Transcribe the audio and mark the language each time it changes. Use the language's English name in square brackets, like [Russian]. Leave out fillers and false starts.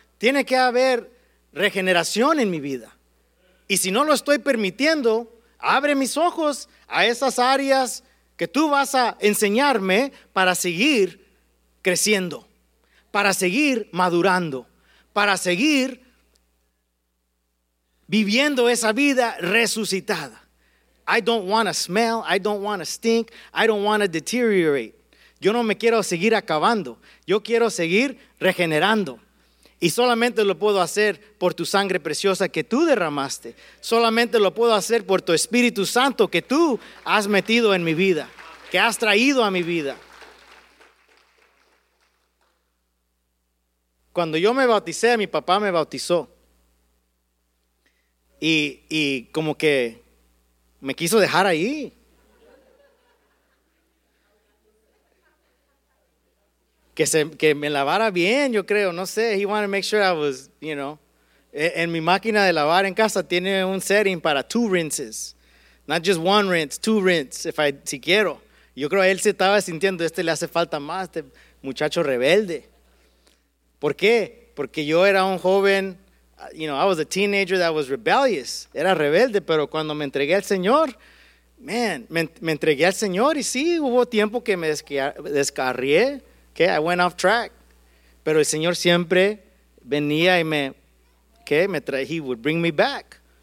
[Spanish] Tiene que haber regeneración en mi vida. Y si no lo estoy permitiendo, abre mis ojos a esas áreas que tú vas a enseñarme para seguir creciendo, para seguir madurando, para seguir viviendo esa vida resucitada. [English] I don't want to smell, I don't want to stink, I don't want to deteriorate. [Spanish] Yo no me quiero seguir acabando, yo quiero seguir regenerando. Y solamente lo puedo hacer por tu sangre preciosa que tú derramaste. Solamente lo puedo hacer por tu Espíritu Santo que tú has metido en mi vida, que has traído a mi vida. Cuando yo me bauticé, mi papá me bautizó. Y como que me quiso dejar ahí. Que me lavara bien, yo creo, no sé. [English] He wanted to make sure I was, you know. [Spanish] En mi máquina de lavar en casa tiene un setting para 2 rinses. [English] Not just 1 rinse, 2 rinses, [Spanish] si quiero. Yo creo que él se estaba sintiendo, este le hace falta más, este muchacho rebelde. ¿Por qué? Porque yo era un joven, [English] you know, I was a teenager that was rebellious. [Spanish] Era rebelde, pero cuando me entregué al Señor, man, me entregué al Señor. Y sí, hubo tiempo que me descarrié. [English] Okay, I went off track. [Spanish] Pero el Señor siempre venía y [English] he would bring me back.